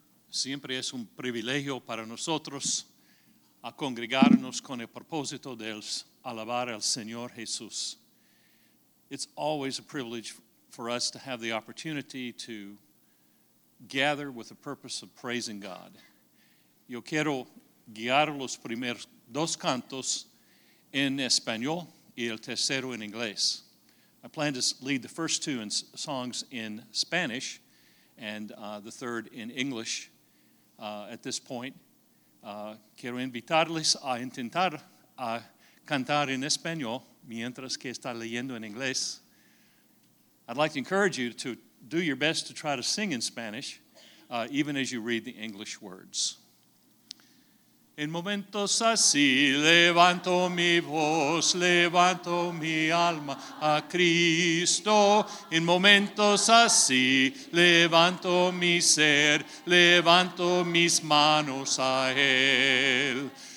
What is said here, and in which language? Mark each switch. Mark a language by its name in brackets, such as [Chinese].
[Spanish] Siempre es un privilegio para nosotros a congregarnos con el propósito de alabar al Señor Jesús. [English] It's always a privilege for us to have the opportunity to gather with the purpose of praising God. [Spanish] Yo quiero guiar los primeros dos cantos en español y el tercero en inglés. [English] I plan to lead the first two in songs in Spanish and the third in English at this point. [Spanish] Quiero invitarles a intentar a cantar en español mientras que está leyendo en inglés. [English] I'd like to encourage you to do your best to try to sing in Spanish, even as you read the English words. [Spanish] En momentos así, levanto mi alma a Cristo. En momentos así, levanto mi ser, levanto mis manos a Él.